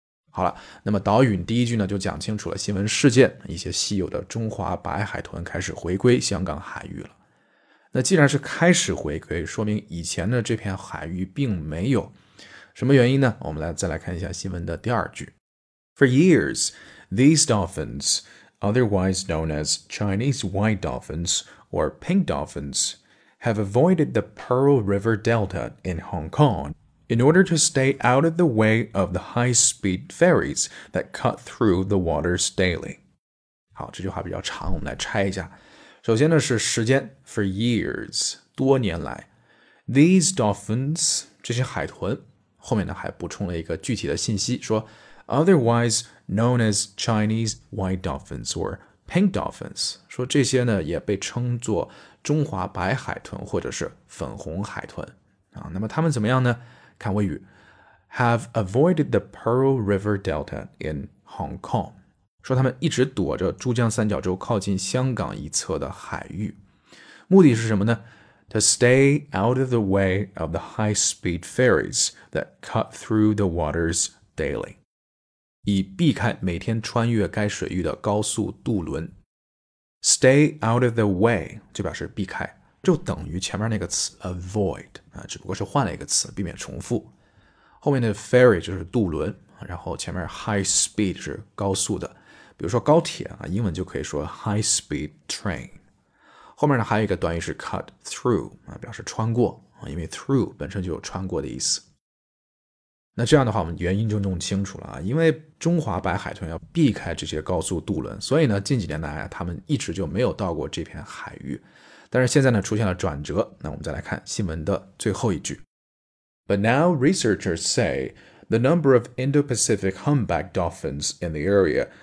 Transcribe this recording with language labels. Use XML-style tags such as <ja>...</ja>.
<zh>好了，那么导引第一句呢就讲清楚了新闻事件，一些稀有的中华白海豚开始回归香港海域了。那既然是开始回归，说明以前的这片海域并没有。什么原因呢？我们来再来看一下新闻的第二句。</zh> <en>For years, these dolphins, otherwise known as Chinese white dolphins or pink dolphins, have avoided the Pearl River Delta in Hong Kong in order to stay out of the way of the high-speed ferries that cut through the waters daily.</en> <zh>好，这句话比较长，我们来拆一下。首先呢是时间 ,</zh> <en>for years,</en> <zh>多年来。</zh> <en>These dolphins,</en> <zh>这些海豚，后面呢还补充了一个具体的信息，说</zh> <en>otherwise known as Chinese white dolphins or pink dolphins,</en> <zh>说这些呢也被称作中华白海豚或者是粉红海豚。啊，那么他们怎么样呢？看谓语 ,</zh> <en>have avoided the Pearl River Delta in Hong Kong.</en> <zh>说他们一直躲着珠江三角洲靠近香港一侧的海域。目的是什么呢？</zh> <en>To stay out of the way of the high-speed ferries that cut through the waters daily.</en> <zh>以避开每天穿越该水域的高速渡轮。</zh> <en>Stay out of the way,</en> <zh>就表示避开，就等于前面那个词 avoid, 只不过是换了一个词避免重复。后面的 ferry 就是渡轮，然后前面 high-speed 是高速的。比如说高铁啊，英文就可以说</zh> <en>high speed train。</en> <zh>后面呢还有一个短语是 cut through 啊，表示穿过啊，因为 through 本身就有穿过的意思。那这样的话，我们原因就弄清楚了啊，因为中华白海豚要避开这些高速渡轮，所以呢近几年来啊，他们一直就没有到过这片海域。但是现在呢出现了转折，那我们再来看新闻的最后一句。</zh> <en>But now researchers say the number of Indo-Pacific humpback dolphins in the area.</en>